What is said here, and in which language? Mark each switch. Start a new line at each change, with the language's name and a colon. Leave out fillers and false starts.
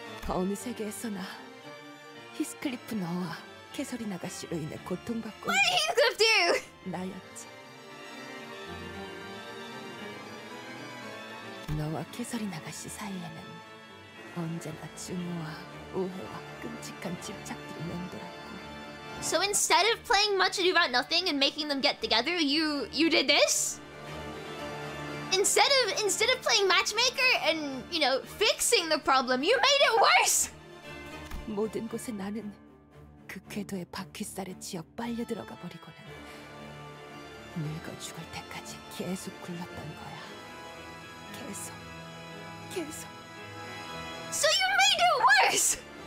Korean: 어느 세계에서나 히스클리프 너와 캐서린 아가씨로 인해 고통받고
English: What did Heathcliff do?
Korean: 나였지. 너와 캐서린 아가씨 사이에는 언제나 증오와 오해와 끔찍한 집착들이 맴돌았고.
English: So instead of playing much ado about nothing and making them get together, you did this? Instead of playing matchmaker and, you know, fixing the problem, you made it worse!
Korean: 모든 곳에 나는 그 궤도의 바퀴살에 치어 빨려들어가 버리고는 늙어 죽을 때까지 계속 굴렀던 거야. 계속.
English: So you made it worse!